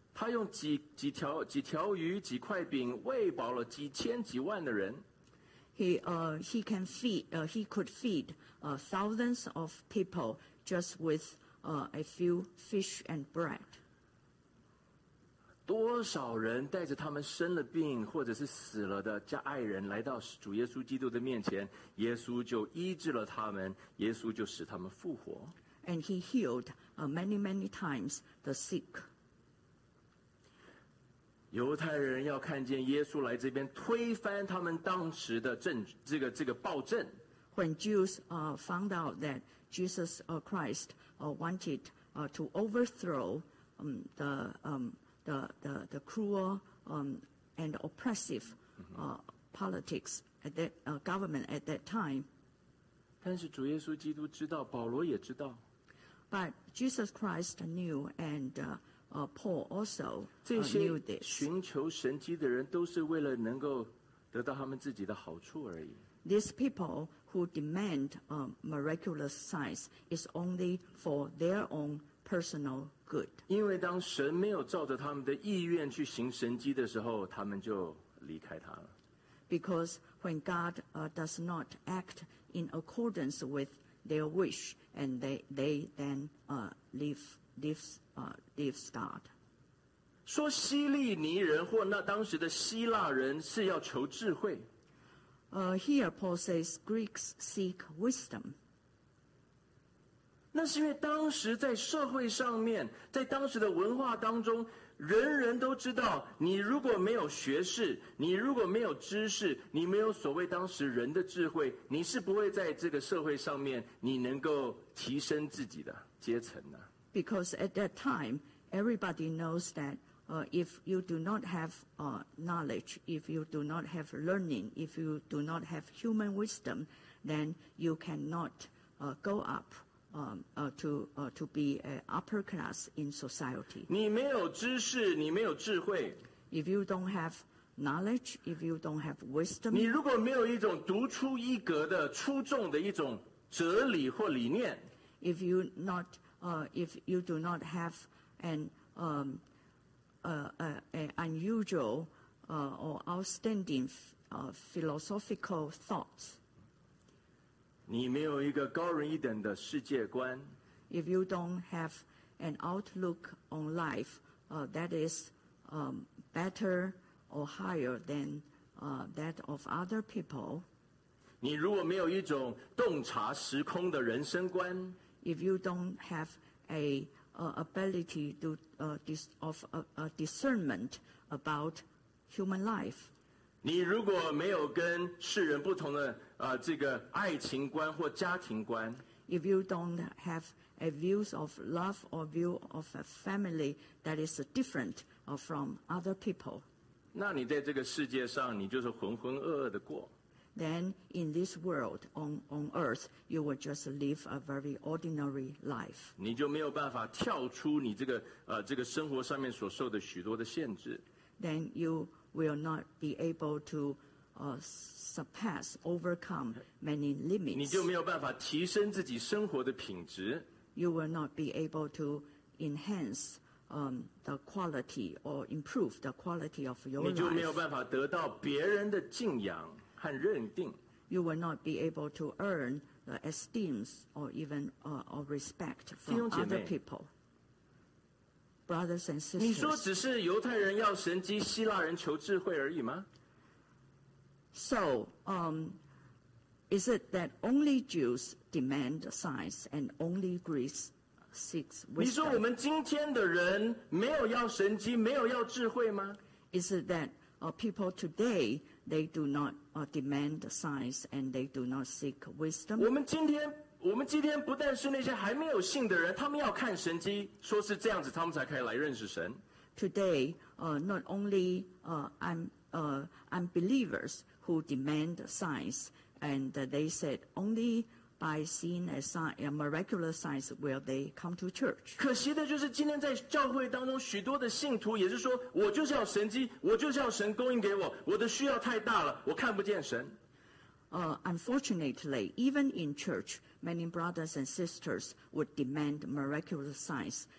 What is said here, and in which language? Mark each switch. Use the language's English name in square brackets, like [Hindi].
[Chinese] 他用几条鱼、几块饼喂饱了几千几万的人。 [English] He could feed thousands of people just with a few fish and bread. [Chinese] 多少人带着他们生了病或者是死了的家爱人来到主耶稣基督的面前，耶稣就医治了他们，耶稣就使他们复活。 [English] And he healed many times the sick. [Chinese] 犹太人要看见耶稣来这边推翻他们当时的这个暴政。 [English] When Jews found out that Jesus Christ wanted to overthrow the cruel and oppressive politics at that government at that time. [Chinese] 但是主耶稣基督知道，保罗也知道。 [English] But Jesus Christ knew, and Paul also knew this. [Chinese] 这些寻求神迹的人都是为了能够得到他们自己的好处而已。 [English] These people who demand miraculous signs is only for their own personal good. [Chinese] 因为当神没有照着他们的意愿去行神迹的时候，他们就离开他了。 [English] Because when God does not act in accordance with their wish, and they then leave God. [Chinese] 说希利尼人或那当时的希腊人是要求智慧。 [English] Here Paul says Greeks seek wisdom. [Chinese] 那是因为当时在社会上面，在当时的文化当中，人人都知道，你如果没有学识，你如果没有知识，你没有所谓当时人的智慧，你是不会在这个社会上面你能够提升自己的阶层的。 [English] Because at that time, everybody knows that if you do not have knowledge, if you do not have learning, if you do not have human wisdom, then you cannot go up to be an upper class in society. [Chinese] 你没有知识，你没有智慧。 [English] If you don't have knowledge, if you don't have wisdom, [Chinese] 你如果没有一种独出一格的出众的一种哲理或理念。 [English] If you not if you do not have an an unusual or outstanding philosophical thoughts. [Chinese] 你没有一个高人一等的世界观。 [English] If you don't have an outlook on life that is better or higher than that of other people. [Chinese] 你如果没有一种洞察时空的人生观。 [English] If you don't have a ability to discernment about human life. [Chinese] 你如果没有跟世人不同的这个爱情观或家庭观。 [English] If you don't have a views of love or view of a family that is different from other people. [Chinese] 那你在这个世界上，你就是浑浑噩噩的过。 [English] Then in this world, on earth, you will just live a very ordinary life. [Chinese] 你就没有办法跳出你这个生活上面所受的许多的限制。 [English] Then you will not be able to overcome many limits. [Chinese] 你就没有办法提升自己生活的品质。 [English] You will not be able to enhance the quality or improve the quality of your life. [Chinese] 你就没有办法得到别人的敬仰和认定。 [English] You will not be able to earn the esteem or even or respect from other people. Brothers and sisters. [Chinese] 你说只是犹太人要神迹，希腊人求智慧而已吗？ [English] So, is it that only Jews demand signs and only Greeks seeks wisdom? [Chinese] 你说我们今天的人没有要神迹，没有要智慧吗？ [English] Is it that people today, they do not demand signs and they do not seek wisdom? [Chinese] 我们今天不但是那些还没有信的人，他们要看神迹，说是这样子，他们才可以来认识神。 [English] Today, not only unbelievers who demand signs, and they said only by seeing a miraculous signs will they come to church. [Chinese] 可惜的就是今天在教会当中，许多的信徒也是说，我就是要神迹，我就是要神供应给我，我的需要太大了，我看不见神。 [English] Unfortunately, even in church, many brothers and sisters would demand miraculous signs.